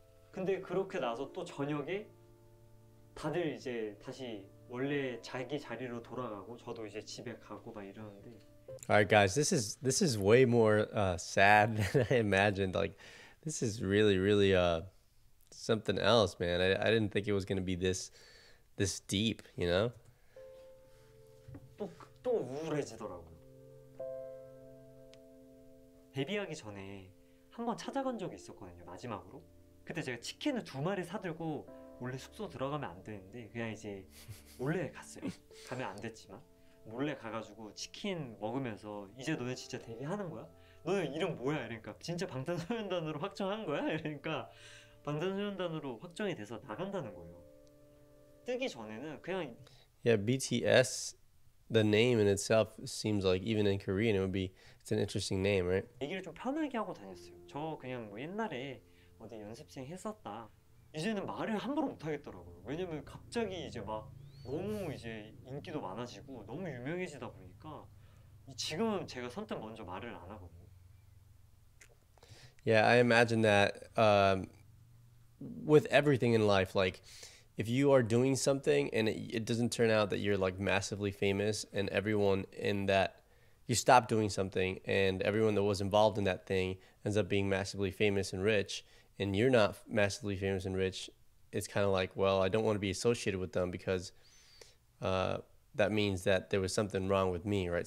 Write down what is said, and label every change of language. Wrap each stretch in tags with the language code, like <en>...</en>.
<ko>근데 그렇게 나서 또 저녁에 다들 이제 다시 원래 자기 자리로 돌아가고 저도 이제 집에 가고 막 이러는데.</ko> <en>Alright, guys, this is way more sad than I imagined. Like, this is really really something else, man. I didn't think it was gonna be this deep, you know.</en> <ko>또 우울해지더라고. 데뷔하기 전에 한 번 찾아간 적이 있었거든요. 마지막으로. 그때 제가 치킨을 두 마리 사들고 원래 숙소 들어가면 안 되는데 그냥 이제 몰래 갔어요. 가면 안 됐지만 몰래 가가지고 치킨 먹으면서 이제 너네 진짜 데뷔하는 거야? 너네 이름 뭐야? 이러니까 진짜 방탄소년단으로 확정한 거야? 이러니까 방탄소년단으로 확정이 돼서 나간다는 거예요. 뜨기 전에는 그냥</ko> <en>Yeah, BTS the name in itself seems like even in Korean it would be it's an interesting name, right?</en> <ko>얘기를 좀 편하게 하고 다녔어요. 저 그냥 뭐 옛날에 어디 연습생 했었다. 이제는 말을 함부로 못 하겠더라고요. 왜냐면 갑자기 이제 막 너무 이제 인기도 많아지고 너무 유명해지다 보니까 지금 제가 선뜻 먼저 말을 안 하거든요.</ko> <en>Yeah, I imagine that with everything in life, like if you are doing something and it doesn't turn out that you're like massively famous and everyone in that you stop doing something and everyone that was involved in that thing ends up being massively famous and rich and you're not massively famous and rich, it's kind of like, well, I don't want to be associated with them because that means that there was something wrong with me, right?</en>